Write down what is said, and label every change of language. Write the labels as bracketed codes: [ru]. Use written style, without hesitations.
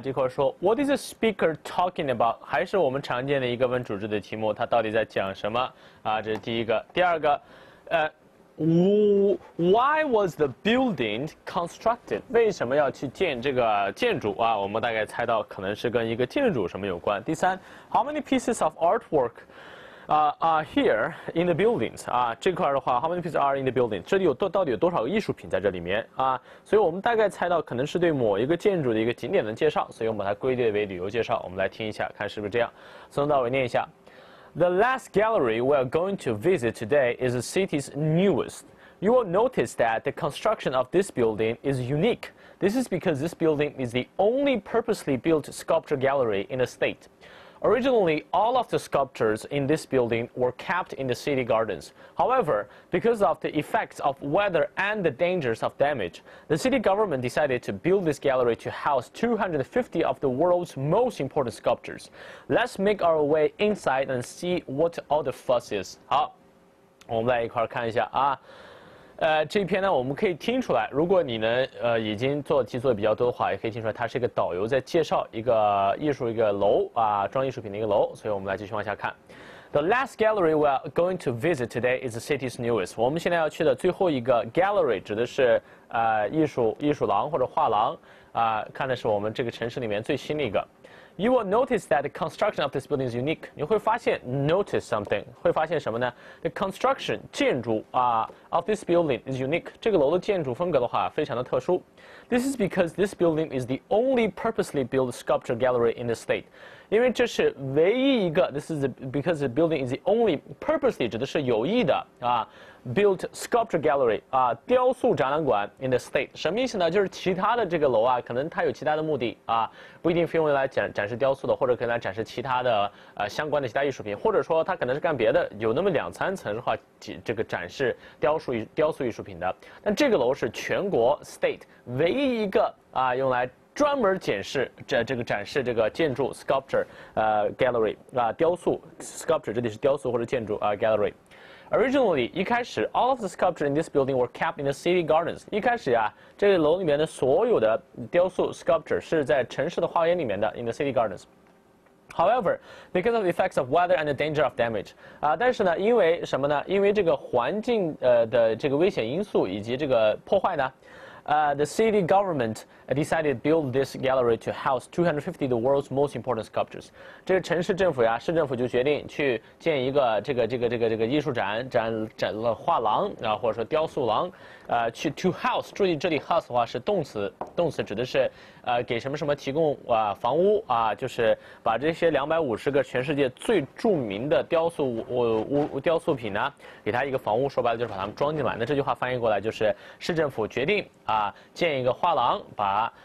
[zh] 这块说 [en] ，What is the speaker talking about？ [zh] 还是我们常见的一个问主旨的题目，他到底在讲什么啊？这是第一个，第二个， [en] Why was the building constructed? [zh] 为什么要去建这个建筑啊？我们大概猜到可能是跟一个建筑什么有关。 [en] 第三 ，How many pieces of artwork, are here in the buildings? [zh] 啊，这块的话 [en] ，How many pieces are in the building? [zh] 这里有到底有多少个艺术品在这里面啊？所以我们大概猜到可能是对某一个建筑的一个景点的介绍，所以我们把它归类为旅游介绍。我们来听一下，看是不是这样。从头到尾念一下。 [en] The last gallery we are going to visit today is the city's newest. You will notice that the construction of this building is unique. This is because this building is the only purposely built sculpture gallery in the state. Originally, all of the sculptures in this building were kept in the city gardens. However, because of the effects of weather and the dangers of damage, the city government decided to build this gallery to house 250 of the world's most important sculptures. Let's make our way inside and see what all the fuss is. [zh] 好，我们来一块看一下啊。这篇呢，我们可以听出来，如果你呢，已经做题做的比较多的话，也可以听出来，它是一个导游在介绍一个艺术一个楼啊，装艺术品的一个楼。所以我们来继续往下看。 [en] The last gallery we are going to visit today is the city's newest. [zh] 我们现在要去的最后一个 gallery 指的是艺术廊或者画廊啊，看的是我们这个城市里面最新的一个。 [en] You will notice that the construction of this building is unique. [zh] 你会发现 [en] notice something [zh] 会发现什么呢 [en] ？The construction [zh] 建筑啊 [en] of this building is unique. [zh] 这个楼的建筑风格的话非常的特殊。 [en] This is because this building is the only purposely built sculpture gallery in the state. [zh] 因为这是唯一一个 [en] this is because the building is the only purposely [zh] 指的是有意的啊 [en] built sculpture gallery [zh] 啊雕塑展览馆 [en] in the state. [zh] 什么意思呢？就是其他的这个楼啊，可能它有其他的目的啊，不一定非用来展示雕塑的，或者可能来展示其他的相关的其他艺术品，或者说它可能是干别的，有那么两三层的话，这个展示雕塑艺术品的。但这个楼是全国 state 唯一一个啊用来专门展示这个建筑 sculpture gallery 啊雕塑 sculpture 这里是雕塑或者建筑啊 gallery。 [en] Originally, [zh] 一开始 [en] all of the sculptures in this building were kept in the city gardens. [zh] 一开始呀，这个楼里面的所有的雕塑 sculpture 是在城市的花园里面的 [en] in the city gardens. However, because of the effects of weather and the danger of damage, [zh] 啊，但是呢，因为什么呢？因为这个环境的这个危险因素以及这个破坏呢？ [en] The city government decided to build this gallery to house 250 the world's most important sculptures. [zh] 这个城市政府呀，市政府就决定去建一个这个艺术展了画廊啊，或者说雕塑廊，去 [en] to house. [zh] 注意这里 house 的话是动词，指的是给什么什么提供房屋啊，就是把这些250个全世界最著名的雕塑品呢，给它一个房屋，说白了就是把它们装进来。那这句话翻译过来就是市政府决定。建一个画廊，把